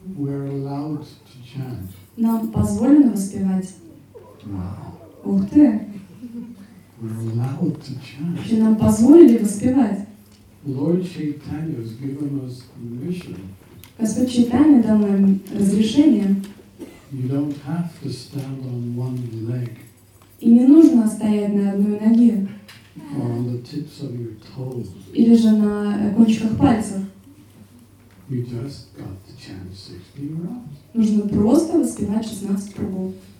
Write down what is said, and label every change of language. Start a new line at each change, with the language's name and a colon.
English: We are allowed to chant.
Russian: Нам позволено воспевать.
English: Wow.
Russian: Ух ты.
English: We're allowed to chant.
Russian: Вообще нам позволили воспевать.
English: Lord Chaitanya has given us permission.
Russian: Господь Чайтанья дал нам разрешение.
English: You don't have to stand on one leg.
Russian: И не нужно стоять на одной ноге.
English: Or on the tips of your toes.
Russian: Или же на кончиках пальцев.
English: You just got to chant 16 rounds.
Russian: Нужно просто воспевать 16 кругов.